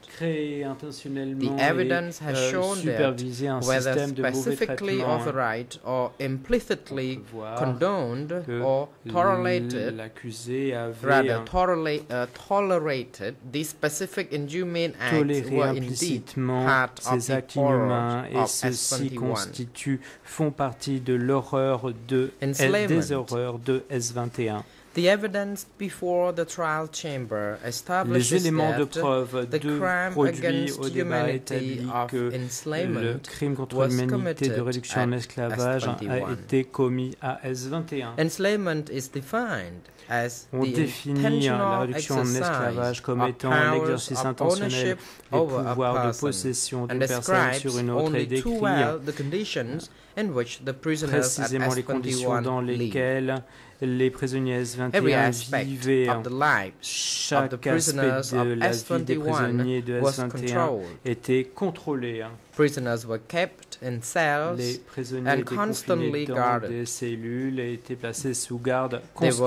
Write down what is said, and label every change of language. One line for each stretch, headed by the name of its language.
English: The evidence has shown that, whether specifically authorized or implicitly condoned or tolerated, tolerated, these specific inhumane acts were indeed part of the horror of S21.
French: Ceci constitue, font partie de l'horreur de des horreurs de S21.
English: The evidence before the trial chamber establishes that the crime against humanity of enslavement was committed at S21. Enslavement is defined as the intentional exercise of powers of ownership over a person and describes only too well the conditions in which the prisoners at S21 live.
French: Les prisonniers S21 vivaient, chaque aspect de la vie des prisonniers de S21 était contrôlé.
English: Prisoners were kept in cells
French: les prisonniers
English: and constantly guarded.
French: Des cellules étaient placés sous garde constante.